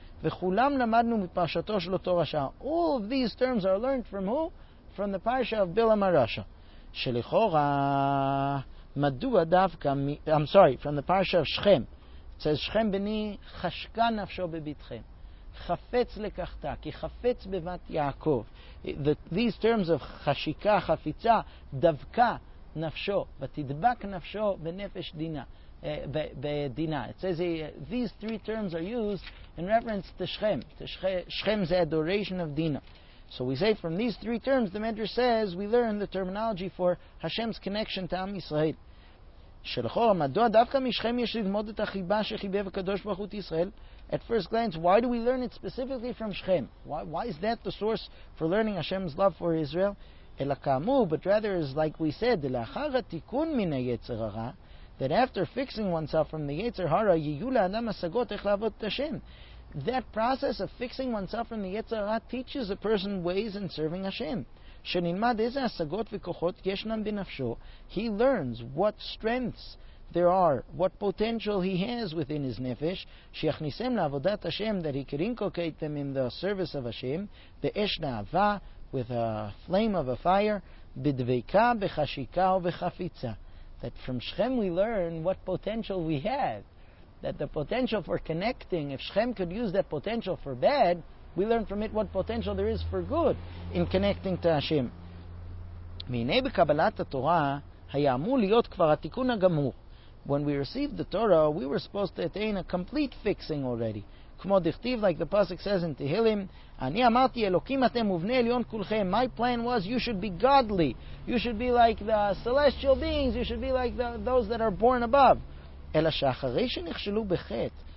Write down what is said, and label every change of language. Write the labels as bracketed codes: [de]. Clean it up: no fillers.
[he] וכולם למדנו מפרשתו של אותו רשע. [en] All of these terms are learned from who? From the parasha of Bilam Arasha. [he] שלכאורה, מדוע דווקא, [en] I'm sorry, from the parasha of Shechem. It says, [he] Shechem בני חשקה נפשו בביתכם. חפץ לקחתה, כי חפץ בבת יעקב. These terms of חשיקה, חפיצה, דווקא נפשו, ותדבק נפשו בנפש דינה. [en] It says these three terms are used in reference to Shechem. Shechem's adoration of Dina. So we say from these three terms, the Medrash says, we learn the terminology for Hashem's connection to Am Yisrael. [he] שלכור, מדוע דווקא משכם יש ללמוד את החיבה שחיבב הקדוש ברוך הוא ישראל? [en] At first glance, why do we learn it specifically from Shechem? Why is that the source for learning Hashem's love for Israel? [he] אלא כאמור, [en] but rather is like we said, [he] לאחר התיקון מן היצר הרע, [en] that after fixing oneself from the Yetzer Hara, [he] יהיו לאדם השגות איך לעבוד את השם. [en] That process of fixing oneself from the Yetzer Hara teaches a person ways in serving Hashem. [he] שנלמד איזה השגות וכוחות ישנם בנפשו, [en] he learns what strengths there are, what potential he has within his nefesh, [he] שיכניסם לעבודת השם, [en] that he could inculcate them in the service of Hashem, [he] באש נעבה, [en] with a flame of a fire, [he] בדביקה, בחשיקה ובחפיצה. [en] That from Shechem we learn what potential we have. That the potential for connecting, if Shechem could use that potential for bad, we learn from it what potential there is for good in connecting to Hashem. [he] מהנה בקבלת התורה, היה אמור להיות כבר התיקון הגמור. [en] when we received the Torah, we were supposed to attain a complete fixing already. Kmo dichtiv, like the pasuk says in Tehillim, [he] Ani amati Elokim atem uvnei elyon kulchem. [en] My plan was you should be godly. You should be like the celestial beings. You should be like those that are born above. [he] Ela she'acharei she'nichshelu bechet.